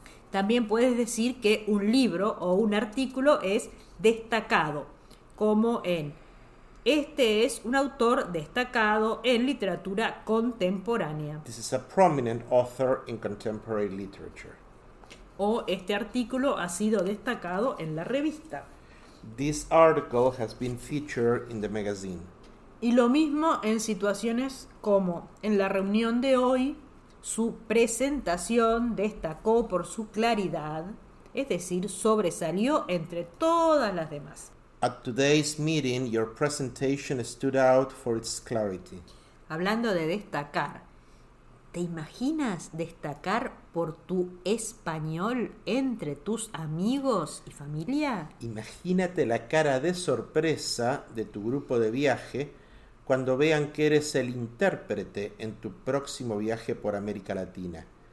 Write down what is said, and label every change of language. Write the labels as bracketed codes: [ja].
[es] También puedes decir que un libro o un artículo es destacado, como en, este es un autor destacado en literatura contemporánea. [en] This is a prominent author in contemporary literature. [es] O este artículo ha sido destacado en la revista. [en] This article has been featured in the magazine. [es] Y lo mismo en situaciones como, en la reunión de hoy, su presentación destacó por su claridad, es decir, sobresalió entre todas las demás. [en] At today's meeting, your presentation stood out for its clarity. [es] Hablando de destacar, ¿te imaginas destacar por tu español entre tus amigos y familia? Imagínate la cara de sorpresa de tu grupo de viaje cuando vean que eres el intérprete en tu próximo viaje por América Latina.